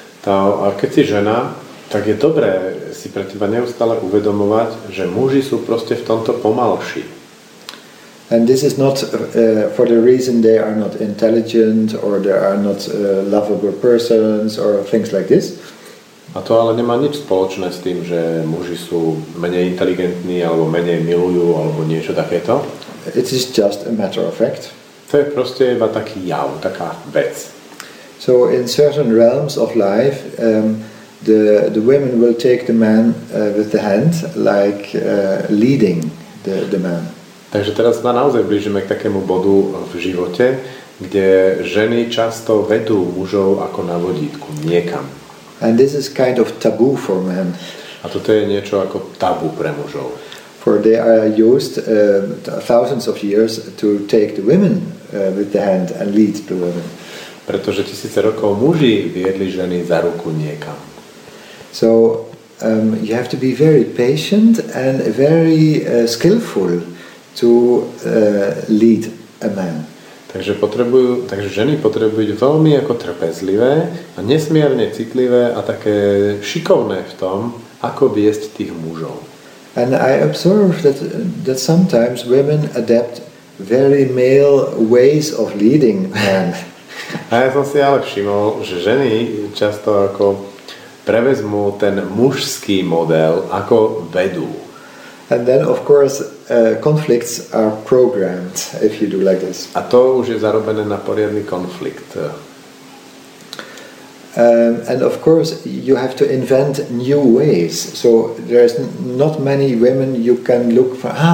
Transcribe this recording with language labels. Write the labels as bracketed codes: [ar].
[sk] A keď si žena, tak je dobré si pre teba neustále uvedomovať, že muži sú proste v tomto pomalší. [en] And this is not for the reason they are not intelligent or they are not lovable persons or things like this. [sk] A to ale nemá nič spoločné s tým, že muži sú menej inteligentní alebo menej milujú alebo niečo takéto. [en] It is just a matter of fact. [sk] To je proste iba taký jav, taká vec. [en] So in certain realms of life, the women will take the man with the hand, like leading the man. [sk] Takže teraz sa naozaj blížime k takému bodu v živote, kde ženy často vedú mužov ako na vodítku niekam. [en] And this is kind of taboo for men. [sk] A toto je niečo ako tabu pre mužov. [en] For they are used thousands of years to take the women with the hand and lead the women. [sk] Pretože tisíce rokov muži viedli ženy za ruku niekam. [en] So you have to be very patient and very skillful to lead a man. [sk] Takže ženy potrebujú byť veľmi ako trpezlivé a nesmierne citlivé a také šikovné v tom, ako viesť tých mužov. [en] And I observe that sometimes women adapt very male ways of leading men. [sk] A ja som si ale všimol, že ženy často ako prevezmú ten mužský model, ako vedú. [en] And then of course conflicts are programmed if you do like this. [sk] A to už je zarobené na poriadny konflikt. [en] And of course you have to invent new ways. So there is not many women you can look for.